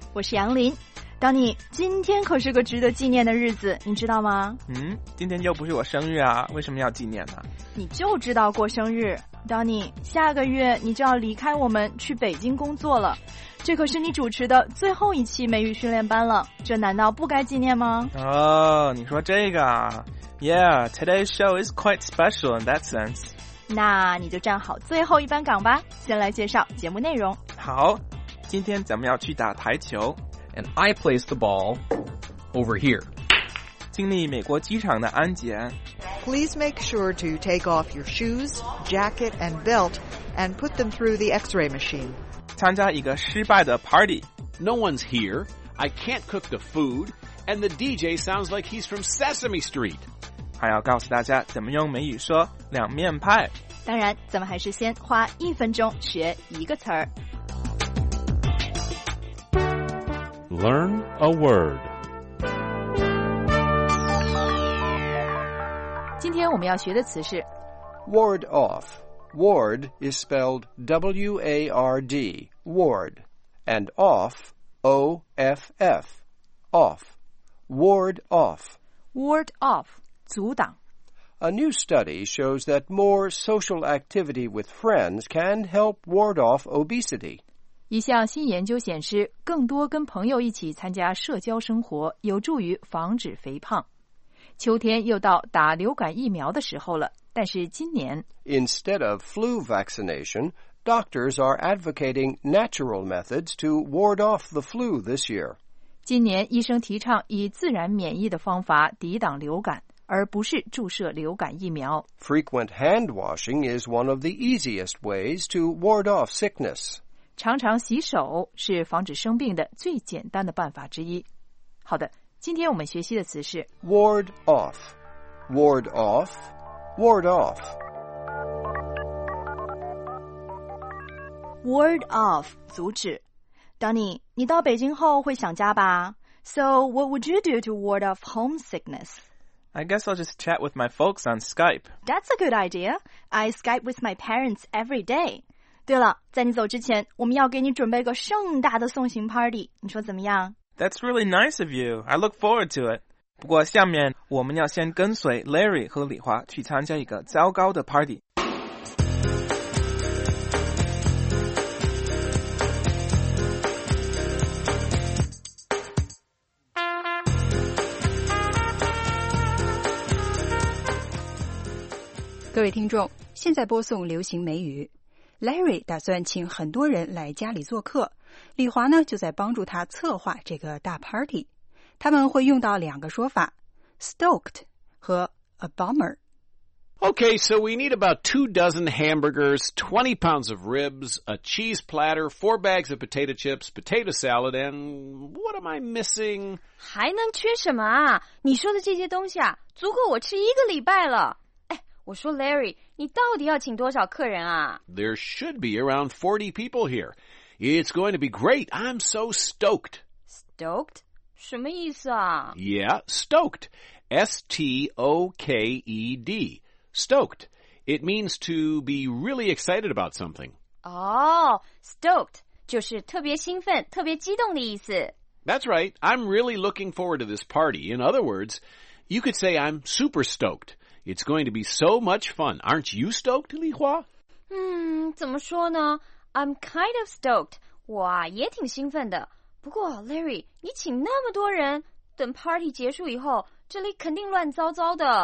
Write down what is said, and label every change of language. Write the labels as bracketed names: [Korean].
[Chinese] 我是杨林。Danny， 今天可是个值得纪念的日子，你知道吗？今天又不是我生日啊，为什么要纪念呢？你就知道过生日。 Danny， 下个月你就要离开我们去北京工作了，这可是你主持的最后一期美语训练班了，这难道不该纪念吗？哦，你说这个啊。 [English] Yeah, today's show is quite special in that sense. [Chinese] 那你就站好最后一班岗吧，先来介绍节目内容。好，今天咱们要去打台球。 [English] And I place the ball over here. [Chinese] 经历美国机场的安检。 [English] Please make sure to take off your shoes, jacket, and belt and put them through the x-ray machine. [Chinese] 参加一个失败的 party. [English] No one's here. I can't cook the food. And the DJ sounds like he's from Sesame Street. [Chinese] 还要告诉大家怎么用美语说两面派。当然，咱们还是先花一分钟学一个词儿。 [English] Learn a word。 [Chinese] 今天我们要学的词是 [English] ward off。 Ward is spelled W-A-R-D, ward, and off, O-F-F, off. Ward off. Ward off. [Chinese] 阻挡。 [English] A new study shows that more social activity with friends can help ward off obesity. [Chinese] 一项新研究显示，更多跟朋友一起参加社交生活有助于防止肥胖。秋天又到打流感疫苗的时候了，但是今年 [English] Instead of flu vaccination, doctors are advocating natural methods to ward off the flu this year. [Chinese] 今年医生提倡以自然免疫的方法抵挡流感，而不是注射流感疫苗。 [English] Frequent hand washing is one of the easiest ways to ward off sickness. [Chinese] 常常洗手是防止生病的最简单的办法之一。好的，今天我们学习的词是 [English] ward off, ward off, ward off. [Chinese] Ward off, 阻止。Danny, 你到北京后会想家吧？ [English] So what would you do to ward off homesickness? I guess I'll just chat with my folks on Skype. That's a good idea. I Skype with my parents every day. [Chinese] 对了，在你走之前，我们要给你准备个盛大的送行 party， 你说怎么样？ [English] That's really nice of you. I look forward to it. [Chinese] 不过下面我们要先跟随 Larry 和李华去参加一个糟糕的 party。各位听众，现在播送流行美语。 Larry 打算请很多人来家里做客，李华呢就在帮助他策划这个大 party。他们会用到两个说法， stoked 和 a bummer。 [English] Okay, so we need about 2 dozen hamburgers, 20 pounds of ribs, a cheese platter, 4 bags of potato chips, potato salad, and what am I missing? [Chinese] 还能缺什么啊？你说的这些东西啊，足够我吃一个礼拜了。我说 Larry, 你到底要请多少客人啊？ [English] There should be around 40 people here. It's going to be great. I'm so stoked. [Chinese] Stoked? 什么意思啊？ [English] Yeah, stoked. S-T-O-K-E-D. Stoked. It means to be really excited about something. Oh, stoked. [Chinese] 就是特别兴奋，特别激动的意思。 [English] That's right. I'm really looking forward to this party. In other words, you could say I'm super stoked. It's going to be so much fun. Aren't you stoked, Li Hua? [Chinese] 怎么说呢? [English] I'm kind of stoked. [Chinese] 我也挺兴奋的。不过 Larry, 你请那么多人，等 party 结束以后，这里肯定乱糟糟的。